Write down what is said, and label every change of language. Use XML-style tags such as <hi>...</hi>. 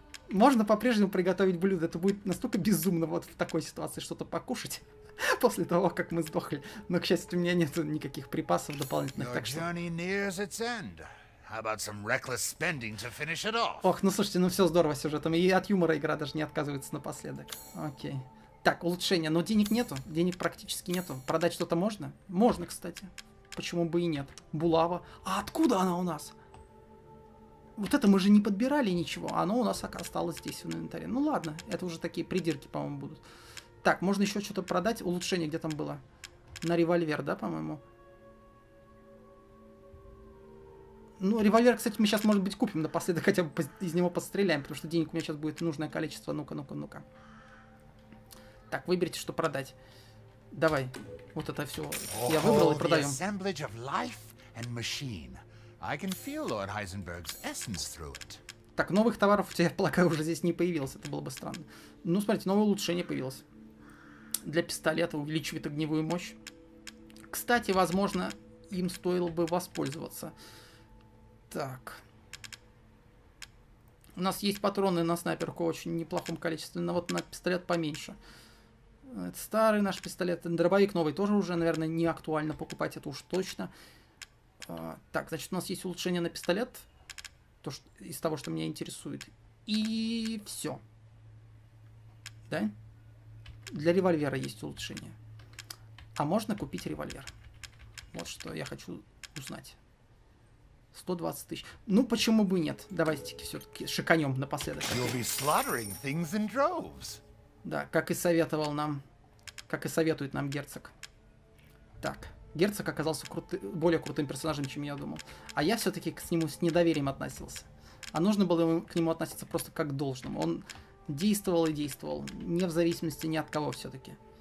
<ru>Можно по-прежнему приготовить блюдо. Это будет настолько безумно вот в такой ситуации что-то покушать. После того, как мы сдохли. Но, к счастью, у меня нет никаких припасов дополнительных. Так что...</ru> <en>How about some reckless spending to finish it off?</en> <ru>Ох, ну слушайте, ну все здорово сюжетом. И от юмора игра даже не отказывается напоследок. Окей. Так, улучшение. Но денег нету. Денег практически нету. Продать что-то можно? Можно, кстати. Почему бы и нет? Булава. А откуда она у нас? Вот это мы же не подбирали ничего. Оно у нас осталось здесь в инвентаре. Ну ладно, это уже такие придирки, по-моему, будут. Так, можно еще что-то продать. Улучшение где там было? На револьвер, да, по-моему? Ну, револьвер, кстати, мы сейчас, может быть, купим напоследок. Хотя бы из него подстреляем. Потому что денег у меня сейчас будет нужное количество. Ну-ка, ну-ка, ну-ка. Так, выберите, что продать. Давай. Вот это все я выбрал и продаем.</ru> <en>Assemblage of life and machine. I can feel Lord Heisenberg's essence through it.</en> <ru>Так, новых товаров у тебя, я полагаю, уже здесь не появилось. Это было бы странно. Ну, смотрите, новое улучшение появилось. Для пистолета увеличивает огневую мощь. Кстати, возможно, им стоило бы воспользоваться. Так. У нас есть патроны на снайперку в очень неплохом количестве. Но вот на пистолет поменьше. Это старый наш пистолет. Дробовик новый тоже уже, наверное, не актуально покупать. Это уж точно. Так, значит, у нас есть улучшение на пистолет. То, что, из того, что меня интересует. И все. Да? Для револьвера есть улучшение. А можно купить револьвер? Вот что я хочу узнать. 120 тысяч. Ну, почему бы нет? Давайте-таки все-таки шиканем напоследок.</ru> <en>You'll be slaughtering things in droves.</en> <ru>Да, как и советовал нам, как и советует нам герцог. Так, герцог оказался более крутым персонажем, чем я думал. А я все-таки к нему с недоверием относился. А нужно было к нему относиться просто как к должному. Он действовал и действовал, не в зависимости ни от кого все-таки.</ru>